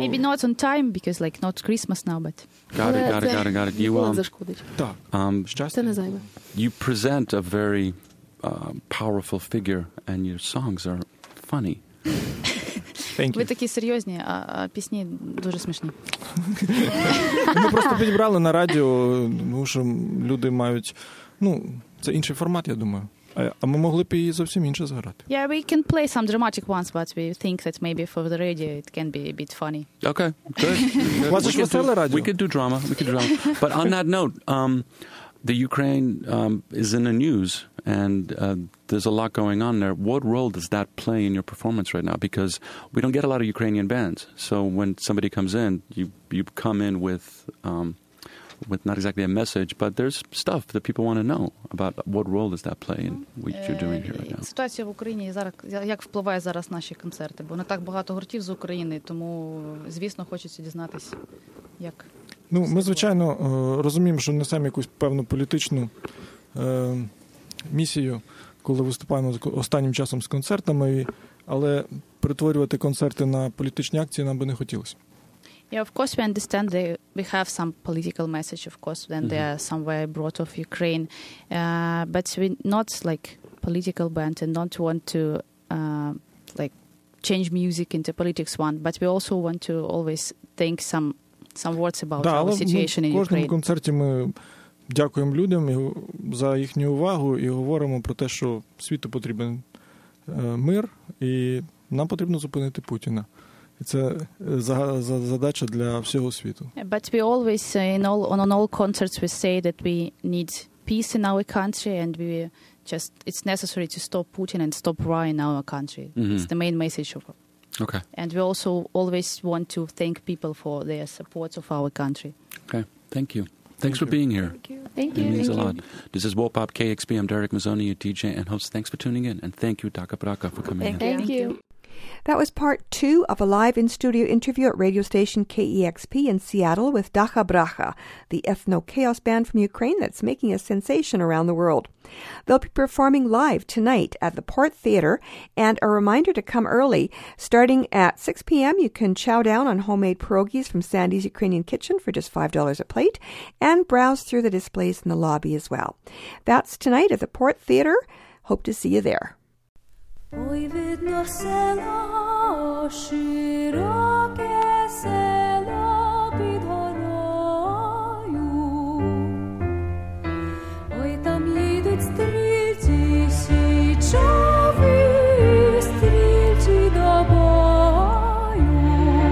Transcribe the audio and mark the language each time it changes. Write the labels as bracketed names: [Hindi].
[English] Maybe not on time, because like not Christmas now, but... Got it. You won't [Ukrainian] зашкодить. Так, щастя. Це не зайве. [English] You present a very powerful figure, and your songs are funny. Thank you. [Ukrainian] Ви такі серйозні, а пісні дуже смішні. Ми просто підібрали на радіо, тому що люди мають... Ну, це інший формат, я думаю. А ми могли б її зовсім інше заграти. [English] Yeah, we can play some dramatic ones, but we think that maybe for the radio it can be a bit funny. Okay, good. [Ukrainian] У вас ж веселе радіо. [English] We could do drama, But on that note, the Ukraine is in the news, and... there's a lot going on there. What role does that play in your performance right now? Because we don't get a lot of Ukrainian bands. So when somebody comes in, you come in with not exactly a message, but there's stuff that people want to know about. What role does that play in what you're doing here right now? [Ukrainian] Ситуація в Україні зараз, як впливає зараз наші концерти? Бо не так багато гуртів з України, тому, звісно, хочеться дізнатись, як... Ну, ми, звичайно, розуміємо, що несемо якусь певну політичну місію, коли виступаємо останнім часом з концертами, але перетворювати концерти на політичні акції нам би не хотілося. [English] Yeah, of course we understand that we have some political message, of course, then they are somewhere brought off Ukraine. But we're not like political band and not want to like change music into politics one, but we also want to always think some words about да, our situation in Ukraine. [Ukrainian] В кожному концерті ми дякуємо людям за їхню увагу і говоримо про те, що світу потрібен мир і нам потрібно зупинити Путіна. І це задача для всього світу. [English] But we always on all concerts we say that we need peace in our country and we just it's necessary to stop Putin and stop war in our country. It's the main message of. Okay. And we also always want to thank people for their support of our country. Okay. Thank you. Thanks for being here. Thank you. It means thank a lot. You. This is Wopop KXP. I'm Derek Mazzoni, your DJ and host. Thanks for tuning in. And thank you, Daka Braka, for coming in. Thank you. That was part two of a live in-studio interview at radio station KEXP in Seattle with Daka Braka, the ethno-chaos band from Ukraine that's making a sensation around the world. They'll be performing live tonight at the Port Theater. And a reminder to come early, starting at 6 p.m., you can chow down on homemade pierogies from Sandy's Ukrainian Kitchen for just $5 a plate and browse through the displays in the lobby as well. That's tonight at the Port Theater. Hope to see you there. [Ukrainian] Ой, видно село, широке село під горою. Ой, там їдуть стрільці, січові стрільці до бою.